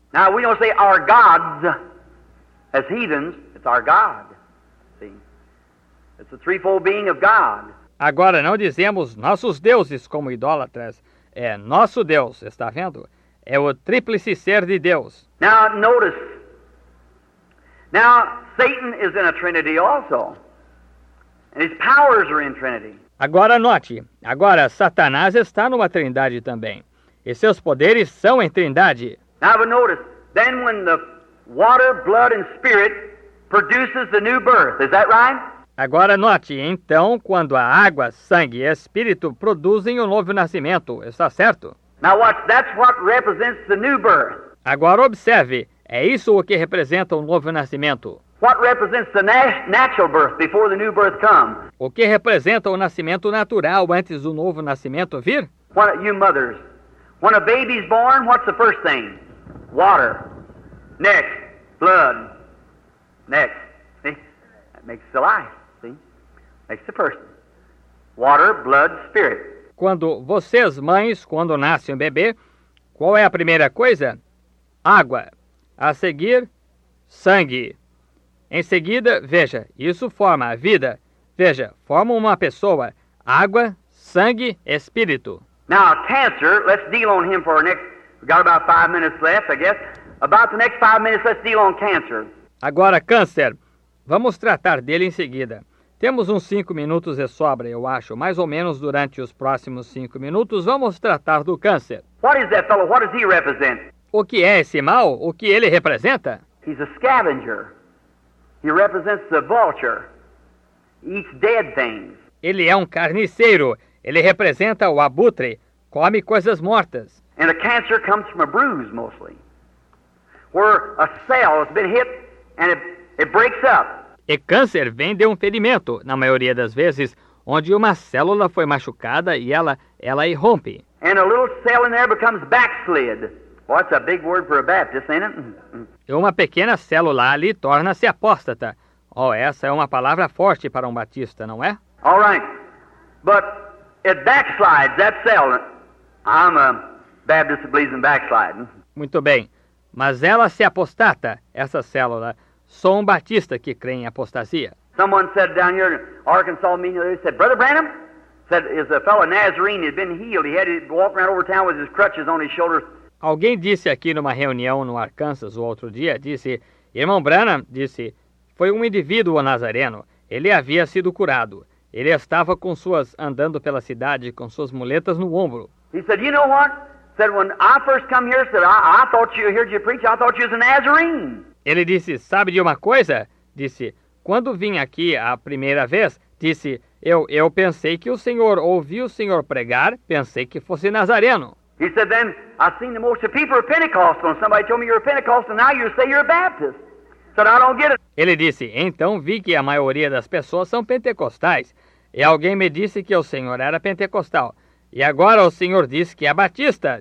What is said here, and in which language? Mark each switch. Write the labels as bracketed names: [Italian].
[English] Now we don't say our gods as heathens, it's our God. See? It's the threefold being of God. [Portuguese] Agora não dizemos nossos deuses como idólatras. É nosso Deus, está vendo? É o tríplice ser de Deus. [English] Now notice. Now Satan is in a trinity also. And his powers are in trinity. [Portuguese] Agora note. Agora Satanás está numa trindade também. E seus poderes são em trindade. [English] Now but notice. Then when the water, blood and spirit produces the new birth. Is that right? [Portuguese] Agora note, então, quando a água, sangue e espírito produzem o novo nascimento, está certo? [English] Now watch, that's what represents the new birth. [Portuguese] Agora observe, é isso o que representa o novo nascimento. [English] What represents the natural birth before the new birth comes? [Portuguese] O que representa o nascimento natural antes do novo nascimento vir? [English] What, you mothers, when a baby's born, what's the first thing? Water. Next, blood. Next. Makes the life, see? Makes the person. Water, blood, spirit. [Portuguese] Quando vocês, mães, quando nasce um bebê, qual é a primeira coisa? Água. A seguir, sangue. Em seguida, veja, isso forma a vida. Veja, forma uma pessoa. Água, sangue, espírito. [English] Now, cancer, let's deal on him for our next... We've got about 5 minutes left, I guess. About the next 5 minutes, let's deal on cancer. [Portuguese] Agora, câncer. Vamos tratar dele em seguida. Temos uns 5 minutos de sobra, eu acho. Mais ou menos durante os próximos 5 minutos, vamos tratar do câncer. [English] What is that fellow? What does he represent? [Portuguese] O que é esse mal? O que ele representa? [English] He's a scavenger. He represents the vulture. He eats dead things. [Portuguese] Ele é um carniceiro. Ele representa o abutre. Come coisas mortas. [English] And a cancer comes from a bruise, mostly. Where a cell has been hit and it breaks up. [Portuguese] E câncer vem de um ferimento, na maioria das vezes, onde uma célula foi machucada e ela irrompe. [English] And a little cell in there becomes backslid. Well, that's a big word for a Baptist, ain't it? [Portuguese] E uma pequena célula ali torna-se apóstata. Oh, essa é uma palavra forte para um batista, não é? [English] All right. But it backslides, that cell. I'm a Baptist who believes in backsliding. [Portuguese] Muito bem. Mas ela se apostata, essa célula. Sou um batista que crê em apostasia. [English] Someone said down here in Arkansas meeting, they said, Brother Branham, said, is a fellow Nazarene, he'd been healed. He had to walk around over town with his crutches on his shoulders. [Portuguese] Alguém disse aqui numa reunião no Arkansas o outro dia, disse, Irmão Branham, disse, foi um indivíduo nazareno. Ele havia sido curado. Ele estava com suas, andando pela cidade, com suas muletas no ombro. [English] He said, you know what? Said, when I first come here, said, I thought you, heard you preach, I thought you was a Nazarene. [Portuguese] Ele disse, sabe de uma coisa? Disse, quando vim aqui a primeira vez, disse, eu pensei que o senhor, ouvi o senhor pregar, pensei que fosse nazareno. [English] He said, then, I've seen the most of people are Pentecostal, and somebody told me you're a Pentecostal, and now you say you're a Baptist. So I don't get it. [Portuguese] Ele disse, então vi que a maioria das pessoas são pentecostais. E alguém me disse que o senhor era pentecostal. E agora o senhor diz que é batista.